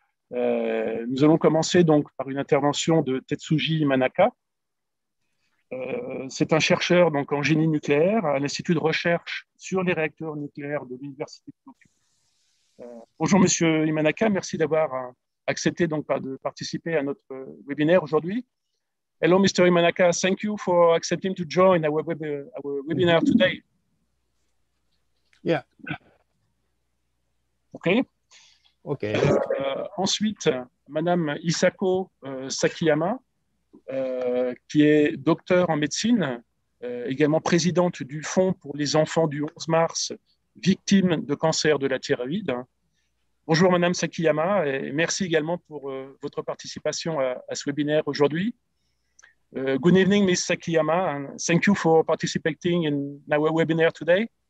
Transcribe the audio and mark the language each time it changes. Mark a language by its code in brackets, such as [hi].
[fr] Nous allons commencer donc, par une intervention de Tetsuji Manaka. C'est un chercheur donc, en génie nucléaire à l'Institut de recherche sur les réacteurs nucléaires de l'Université de Tokyo. Bonjour, Monsieur Imanaka. Merci d'avoir accepté donc, de participer à notre webinaire aujourd'hui. [en] Hello, Mr. Imanaka. Thank you for accepting to join our webinar today. Yeah. Okay. Okay. [fr] Ensuite, Madame Isako Sakiyama, qui est docteur en médecine, également présidente du Fonds pour les enfants du 11 mars, victimes de cancer de la thyroïde. Bonjour Madame Sakiyama, et merci également pour votre participation à ce webinaire aujourd'hui. [en] Good evening Ms. Sakiyama, and thank you for participating in our webinar today.